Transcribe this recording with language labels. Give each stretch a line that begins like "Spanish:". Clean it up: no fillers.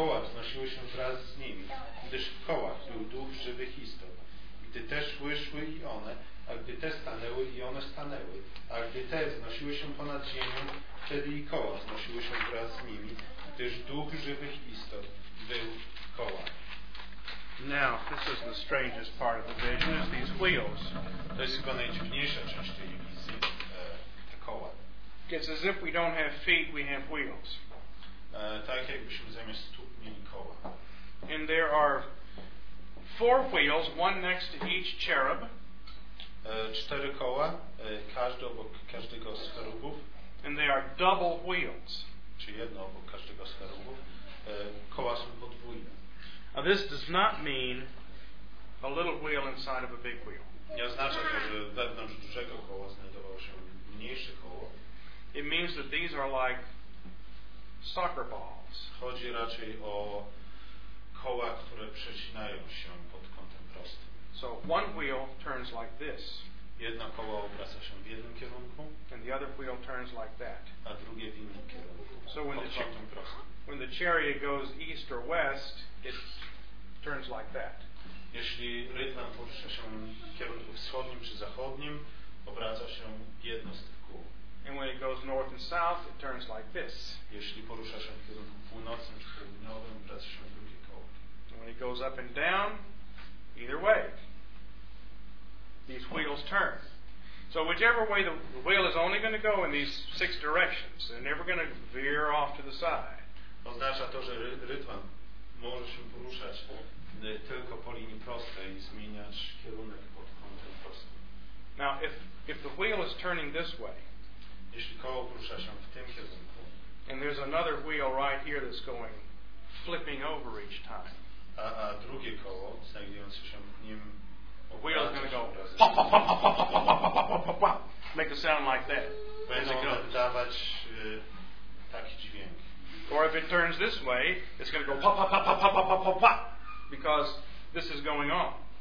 Polish: koła wznosiły się wraz z nimi, gdyż w kołach był duch żywych istot. Gdy też wyszły i one, a gdy te stanęły i one stanęły, a gdy te wznosiły się ponad ziemią, wtedy i koła wznosiły się wraz z nimi, gdyż duch żywych istot był w kołach.
English: Now, this is the strangest part of the vision, is these wheels.
Polish: To jest chyba najdziwniejsza część tej wizji, te koła.
English: It's as if we don't have feet, we have wheels.
Polish: Tak jakbyśmy zamiast stóp mieli koła.
English: And there are four wheels, one next to each cherub.
Polish: Cztery koła, każdy obok każdego z cherubów.
English: And they are double wheels.
Polish: Czy jedno obok każdego z cherubów. Koła są podwójne.
English: Now this does not mean a little wheel inside of a big wheel.
Polish: Nie oznacza to, że wewnątrz dużego koła znajdowało się mniejsze koło.
English: It means that these are like soccer balls.
Polish: Chodzi raczej o koła, które przecinają się pod kątem prostym.
English: So one wheel turns like this.
Polish: Jedno koło obraca się w jednym kierunku.
English: And the other wheel turns like that.
Polish: A drugie w innym kierunku.
English: So when
Polish: pod kątem prostym.
English: When the chariot goes east or west, it turns like that.
Polish: Jeśli rytm porusza się w kierunku wschodnim czy zachodnim, obraca się jedno z tych kół.
English: And when it goes north and south, it turns like this.
Polish: Jeśli porusza się w kierunku północnym czy południowym, obraca się drugie koło.
English: And when it goes up and down, either way, these wheels turn. So whichever way the wheel is only going to go in these six directions, they're never going to veer off to the side.
Polish: Oznacza to, że rytwan może się poruszać tylko po linii prostej i zmieniać kierunek pod kątem prostym.
English: Now, if the wheel is turning this way,
Polish: jeśli koło porusza się w tym kierunku,
English: and there's another wheel right here that's going flipping over each time,
Polish: a drugie koło znajdujące się w nim,
English: the wheel is going to go pa-pa-pa-pa-pa-pa-pa-pa-pa-pa-pa-pa, make a sound like that.
Polish: Będzie ono wydawać taki dźwięk.
English: Or if it turns this way, it's going to go pop, pop, pop, pop, pop, pop, pop, pop, because this is going on.